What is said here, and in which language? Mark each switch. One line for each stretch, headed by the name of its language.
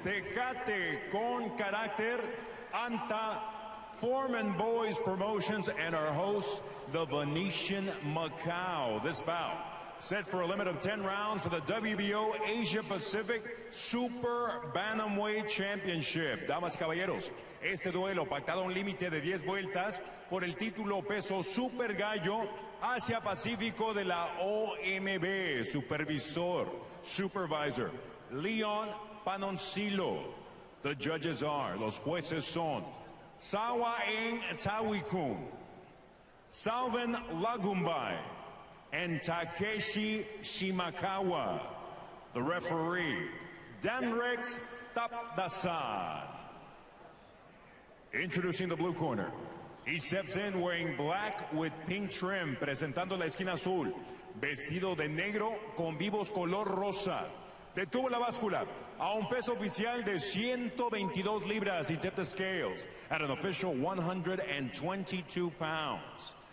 English: Tecate con Carácter, Anta Foreman Boys Promotions, and our host, the Venetian Macau. This bout set for a limit of 10 rounds for the WBO Asia Pacific Super Bantamweight Championship.
Spanish: Damas y caballeros, este duelo pactado a un límite de 10 vueltas por el título peso Super Gallo Asia Pacífico de la OMB.
English: Supervisor Leon Panoncillo. The judges are,
Spanish: los jueces son
English: Sawa Eng Tawikun, Salvin Lagumbay, and Takeshi Shimakawa. The referee, Danrex Tapdasan. Introducing the blue corner. He steps in wearing black with pink trim,
Spanish: presentando la esquina azul, vestido de negro con vivos color rosa. Detuvo la báscula a un peso oficial de 122 libras.
English: He tipped the scales at an official 122 pounds.